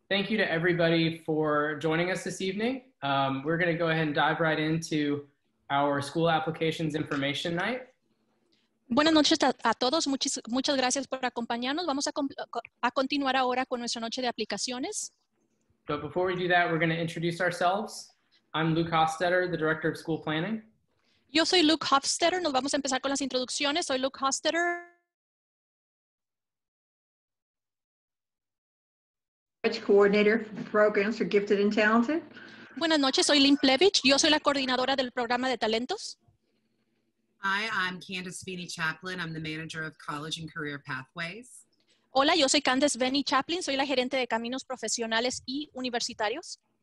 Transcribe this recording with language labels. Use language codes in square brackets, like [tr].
[en] Thank you to everybody for joining us this evening. We're gonna go ahead and dive right into our school applications information night. [es] Buenas noches a todos. Muchas gracias por acompañarnos. Vamos a continuar ahora con nuestra noche de aplicaciones. [en] But before we do that, we're gonna introduce ourselves. I'm Luke Hofstetter, the Director of School Planning. [es] Yo soy Luke Hofstetter. Nos vamos a empezar con las introducciones. Soy Luke Hofstetter. [en] Coordinator for programs for gifted and talented. [es] Buenas noches, soy Lynn Plevich. Yo soy la coordinadora del programa de talentos. [en] Hi, I'm Candace Feeney Chaplin. I'm the manager of College and Career Pathways. [es] Hola, yo soy Candace Feeney Chaplin. Soy la gerente de caminos profesionales y universitarios.